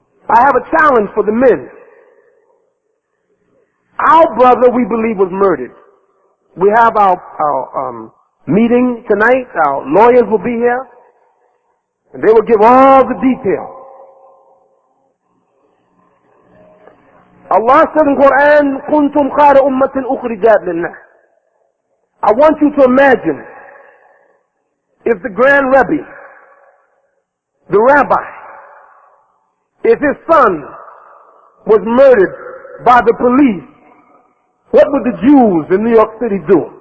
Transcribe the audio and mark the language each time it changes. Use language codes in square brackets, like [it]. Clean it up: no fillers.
[en] I have a challenge for the men. Our brother, we believe, was murdered. We have our meeting tonight. Our lawyers will be here. And they will give all the details. Allah said in Quran, [ar] كُنْتُمْ خَيْرَ أُمَّةٍ أُخْرِجَتْ لِلنَّاسِ. [en] I want you to imagine if the Grand Rebbe, the Rabbi, if his son was murdered by the police, what would the Jews in New York City do?